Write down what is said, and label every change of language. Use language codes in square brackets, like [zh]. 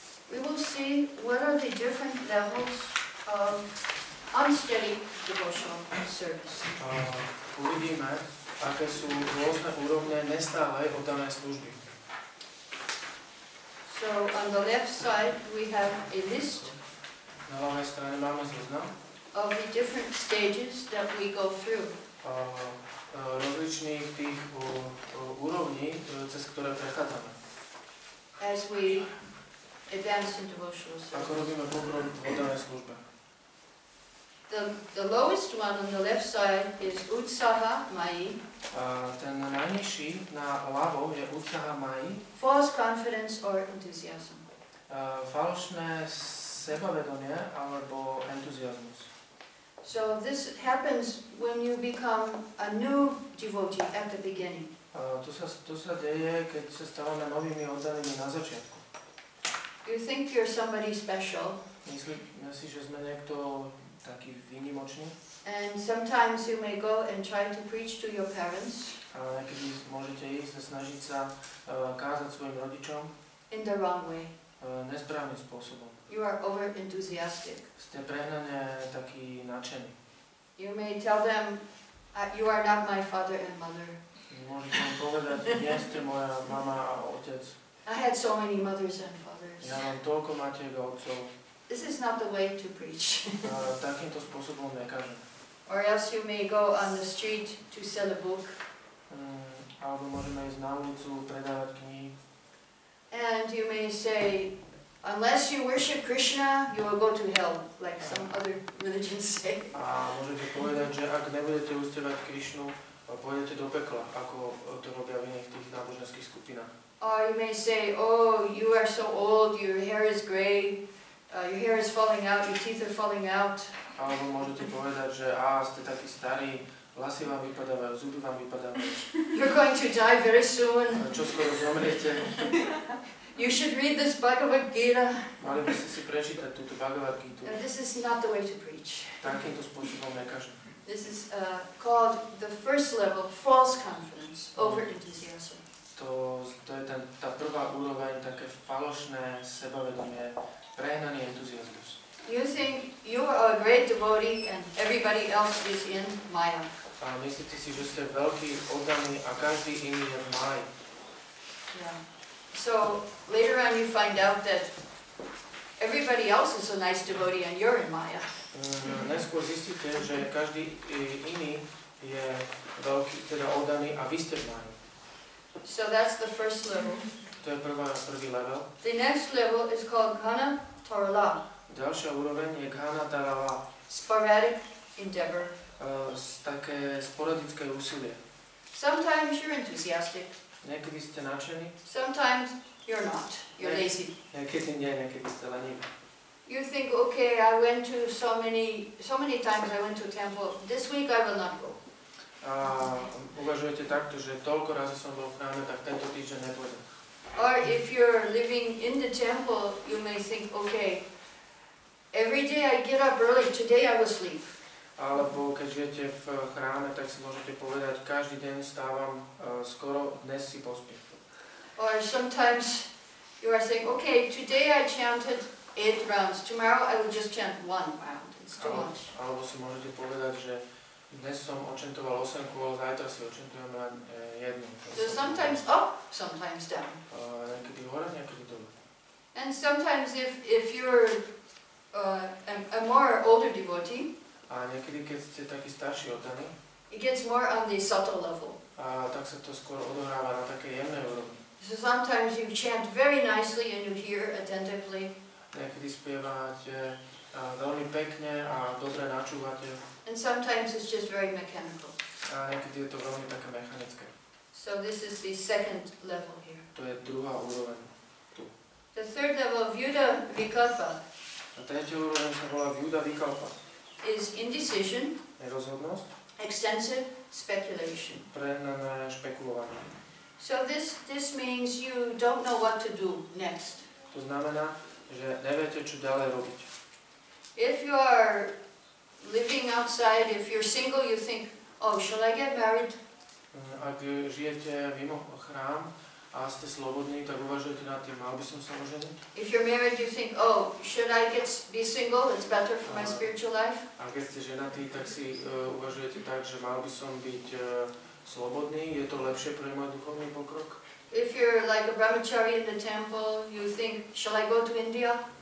[en] We will see what are the different levels of unsteady devotional service. [sk] Uvidíme, aké sú rôzne úrovne nestálej oddanej služby. [en] So on the left side we have a list. [sk] Na ľavej strane máme zoznam. [en] Of the different stages that we go through. [sk] Rozličných tých úrovní, cez ktoré prechádzame. [en] As we advanced in devotional service. [sk] Ako robíme pokrok v oddanej službe. [en] The lowest one on the left side is utsaha mai. [sk] Ten najnižší na ľavo je utsaha mai. [en] False confidence or enthusiasm. [sk] Falošné sebavedomie alebo entuziasmus. [en] So this happens when you become a new devotee at the beginning. [sk] To sa deje, keď sa stávame novými oddanými na začiatku. [en] You think you're somebody special. [sk] Myslíš, že sme niekto taký výnimočný? [en] And sometimes you may go and try to preach to your parents. [sk] A niekedy môžete ísť a snažiť sa kázať svojim rodičom. [en] In the wrong way. [sk] Nesprávnym spôsobom. [en] You are over enthusiastic. [sk] Ste prehnane taký nadšený. [en] You may tell them you are not my father and mother. [sk] Môžete im povedať, nie ste moja mama a otec. [en] I had so many mothers and fathers. [sk] Ja mám toľko matiek a otcov. [en] This is not the way to preach. [sk] Takýmto spôsobom nekážem. [en] Or else you may go on the street to sell a book. [sk] Alebo môžeme ísť na ulicu predávať knihy. [en] And you may say, unless you worship Krishna, you will go to hell, like some other religions say. [sk] A môžete povedať, že ak nebudete uctievať Krishnu, pôjdete do pekla, ako to robia v iných tých náboženských skupinách. [en] Or you may say, oh, you are so old, your hair is gray, your hair is falling out, your teeth are falling out. [sk] Alebo môžete povedať, že ste taký starý, vlasy vám vypadávajú, zuby vám vypadávajú. [en] You're going to die very soon. [sk] Čo skoro zomriete. [en] You should read this Bhagavad Gita. [sk] Mali by ste si prečítať túto Bhagavad Gitu. [en] And this is not the way to preach. [sk] Takýmto spôsobom nekažem. [en] This is called the first level false confidence over enthusiasm. [sk] To je tá prvá úroveň, také falošné sebavedomie, prehnaný entuziasmus. [en] You think you are a great devotee and everybody else is in Maya. [sk] A myslíte si, že ste veľký, oddaný a každý iný je v Maya. [en] So later on you find out that everybody else is a nice devotee and you're in Maya. [sk] Neskôr zistíte, že každý iný je veľký, teda oddaný a vy ste v Maya. [en] So that's the first level. [sk] To je prvý level. [en] The next level is called Ghana Tarala. [sk] Ďalšia úroveň je Ghana Tarala. [en] Sporadic endeavor. [sk] Také sporadické úsilie. [en] Sometimes you're enthusiastic. [sk] Niekedy ste nadšení. [en] Sometimes you're not. You're lazy. [sk] Niekedy nie, niekedy ste lenivý. [en] You think, okay, I went to so many times I went to temple. This week I will not go. [sk] A uvažujete takto, že toľko razy som bol v chráme, tak tento týždeň nepôjdem. [en] Or if you're living in the temple, you may think, okay, every day I get up early, today I will sleep. [sk] Alebo keď žijete v chráme, tak si môžete povedať, každý deň stávam skoro, dnes si pospím. [en] Or sometimes you are saying, okay, today I chanted 8 rounds, tomorrow I will just chant 1 round, it's too much. [sk] Alebo si môžete povedať, že dnes som očentoval 8 kôl, zajtra si očentujem len 1. [en] So sometimes up, sometimes down. [sk] Niekedy hore, niekedy dole. [en] And sometimes if you're a more older devotee. [sk] A niekedy keď ste taký starší oddaný. [en] It gets more on the subtle level. [sk] A tak sa to skôr odohráva na takej jemnej úrovni. [en] So sometimes you chant very nicely and you hear attentively. [sk] Niekedy spievate veľmi pekne a dobre načúvate. [en] And sometimes it's just very mechanical. [sk] A niekedy je to veľmi také mechanické. [en] So this is the second level here. [sk] To je druhá úroveň tu. [en] The third level, Vyuda Vikalpa. [sk] A tretia úroveň sa volá Vyuda Vikalpa. [en] Is indecision. [sk] Nerozhodnosť. [en] Extensive speculation. [sk] Prehnané špekulovanie. [en] So this means you don't know what to do next. [sk] To znamená, že neviete, čo ďalej robiť. [en] If you are living outside, if you're single, you think, oh, shall I get married? [sk] Ak žijete mimo chrám a ste slobodní, tak uvažujete nad tým, mal by som sa oženiť? [en] If you're married, you think, oh, should I be single? It's better for my spiritual life. [sk] Ak ste ženatí, tak si uvažujete tak, že mal by som byť slobodný, je to lepšie pre môj duchovný pokrok? [en] If you're like a brahmachari in the temple, you think, shall I go to India?